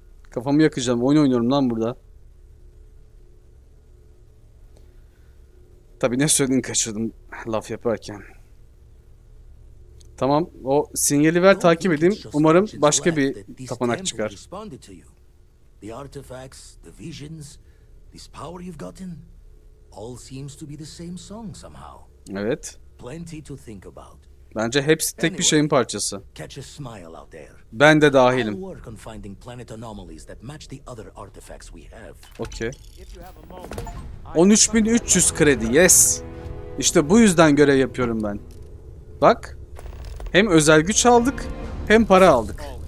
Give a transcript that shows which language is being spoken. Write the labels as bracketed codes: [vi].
[tr] Kafamı yakacağım, oyun oynuyorum lan burada. Tabii ne söyledin kaçırdım laf yaparken. Tamam, o sinyali ver, takip edeyim. Umarım başka bir tapınak çıkar. [en] The artifacts, the visions, this power you've gotten, all seems to be the same song somehow. [tr] Evet. [en] Plenty to think about. [tr] Bence hepsi tek bir şeyin parçası. [en] Catch a smile out there. [tr] Ben de dahilim. [en] I'll work on finding planet anomalies that match the other artifacts we have. Okay. 13.300 kredi, yes. [tr] İşte bu yüzden görev yapıyorum ben. Bak, hem özel güç aldık, hem para aldık.